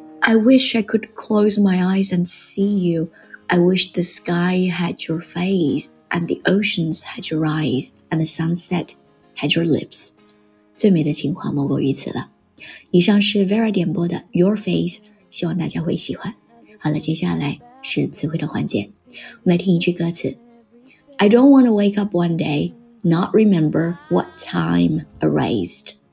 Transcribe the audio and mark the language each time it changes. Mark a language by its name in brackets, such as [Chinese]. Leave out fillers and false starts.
[English] I wish I could close my eyes and see you. I wish the sky had your face, and the oceans had your eyes, and the sunset had your lips. [Chinese] 最美的情话莫过于此了。以上是 Vera 点播的 Your Face， 希望大家会喜欢。好了，接下来是词汇的环节，我们来听一句歌词。 [English] I don't want to wake up one day, not remember what time erased.